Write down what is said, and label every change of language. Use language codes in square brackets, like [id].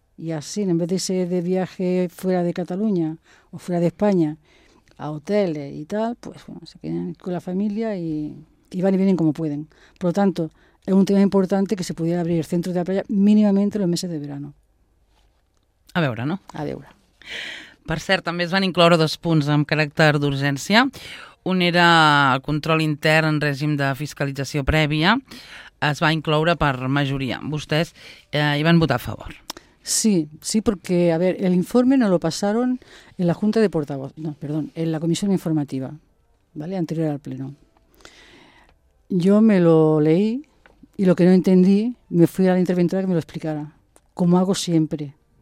[es] Y así, en vez de irse de viaje fuera de Cataluña o fuera de España, a hoteles y tal, pues bueno, se quedan con la familia y van y vienen como pueden. Por lo tanto, es un tema importante que se pudiera abrir el centro de la playa mínimamente en los meses de verano. [ca] A veure, no? A veure. Per cert, també es van incloure 2 punts amb caràcter d'urgència. Un era control intern en règim de fiscalització prèvia. Es va incloure per majoria. Vostès hi van votar a favor. [es] Sí, porque, a ver, el informe no lo pasaron en la Junta de Portavoz, no, perdón, en la Comisión Informativa, ¿vale?, anterior al Pleno. Yo me lo leí y lo que no entendí, me fui a la interventora que me lo explicara, como hago siempre.